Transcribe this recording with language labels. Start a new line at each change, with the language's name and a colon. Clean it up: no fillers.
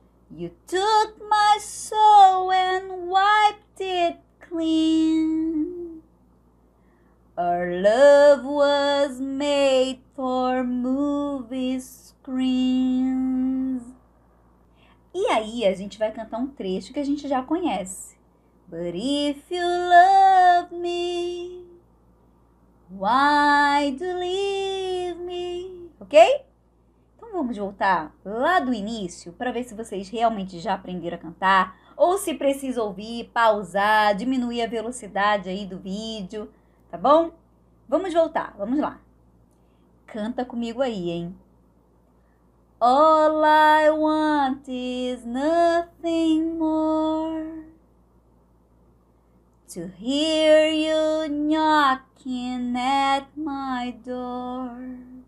English: You took my soul and wiped it clean. Our love was made for movie screens.
Portuguese: E aí a gente vai cantar um trecho que a gente já conhece.
English: But if you love me, why do you leave me? Ok?
Portuguese: Vamos voltar lá do início para ver se vocês realmente já aprenderam a cantar ou se precisa ouvir, pausar, diminuir a velocidade aí do vídeo, tá bom? Vamos voltar, vamos lá. Canta comigo aí, hein?
English: All I want is nothing more to hear you knocking at my door.